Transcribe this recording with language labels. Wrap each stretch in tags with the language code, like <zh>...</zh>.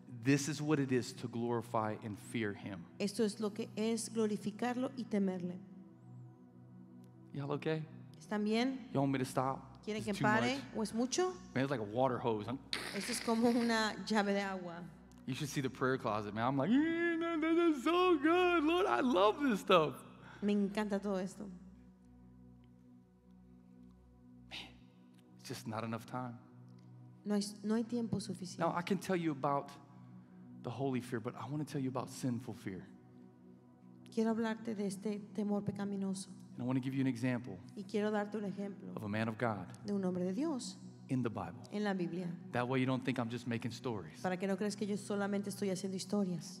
<en>This is what it is to glorify and fear him.</en> <es>Esto es lo que es glorificarlo y temerle.</es> <en>Y'all okay?</en> <es>¿Están bien?</es> <en>You want me to stop?</en> <es>¿Quieren que pare o es mucho?</es> <en>Man, it's like a water hose.</en> <es>Esto es como una llave de agua.</es> <en>You should see the prayer closet, man. I'm like, this is so good. Lord, I love this stuff.</en> <es>Me encanta todo esto.</es> <en>Man, it's just not enough time.</en> <es>No hay tiempo suficiente.</es> <en>Now, I can tell you about the holy fear, but I want to tell you about sinful fear.</en> <es>Quiero hablarte de este temor pecaminoso.</es> <en>And I want to give you an example</en> <es>y quiero darte un ejemplo</es> <en>of a man of God</en> <es>de un hombre de Dios</es> <en>in the Bible.</en> <es>En la Biblia.</es> <en>That way you don't think I'm just making stories.</en> <es>Para que no creas que yo solamente estoy haciendo historias.</es>